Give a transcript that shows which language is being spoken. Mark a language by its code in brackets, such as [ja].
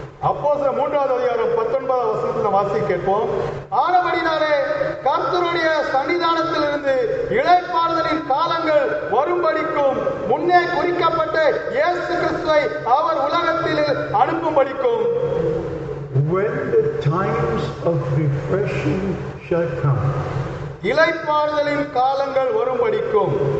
[ta] அப்போஸ்தலர் மூன்றாவது அதிகாரம் 19 வசனத்தில் வாசிக்க கேட்போம். ஆனபடினாலே கர்த்தருடைய சன்னிதானத்திலிருந்து இளைப்பாறுதலின் காலங்கள் வரும்படிக்கும் முன்னே குறிக்கப்பட்ட இயேசு கிறிஸ்துவை அவர் உலகத்தில் அனுப்பும்படிக்கும். [en] When the times of refreshing shall come. [ta] இளைப்பாறுதலின் காலங்கள் வரும்படிக்கும்.